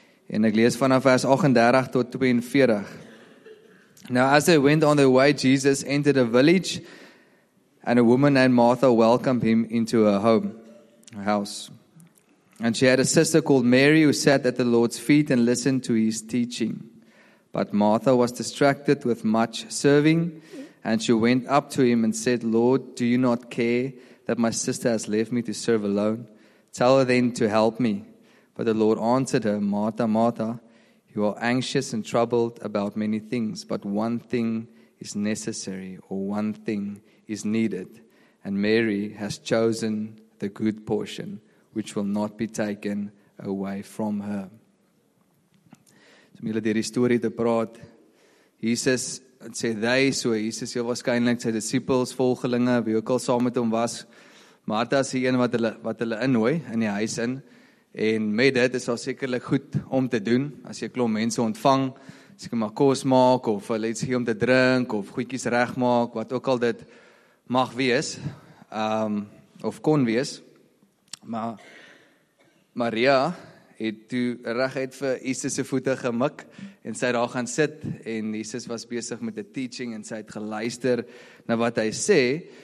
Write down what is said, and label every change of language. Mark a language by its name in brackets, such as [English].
[Afrikaans] En ek lees vanaf vers 38 tot 42. [English] Now as they went on their way, Jesus entered a village and a woman named Martha welcomed him into her house. And she had a sister called Mary who sat at the Lord's feet and listened to his teaching. But Martha was distracted with much serving and she went up to him and said, Lord, do you not care that my sister has left me to serve alone? Tell her then to help me. But the Lord answered her, Martha, Martha, you are anxious and troubled about many things, but one thing is necessary, or one thing is needed. And Mary has chosen the good portion, which will not be taken away from her. [Afrikaans] So, mele deur die storie te praat. Jesus, het sê hy, so Jesus, heel waarskynlik sy disippels, volgelinge, wie ook al saam met hom was. Martha is die een wat hulle innooi in die huis in. En met dit is al sekerlik goed om te doen. As jy 'n klomp mense ontvang, seker maar kos maak of hulle iets gee om te drink of goedjies regmaak, wat ook al dit mag wees, of kon wees. Maar Maria het toe reguit vir Jesus se voete gemik en sy het daar gaan sit en Jesus was besig met 'n teaching en sy het geluister na wat hy sê.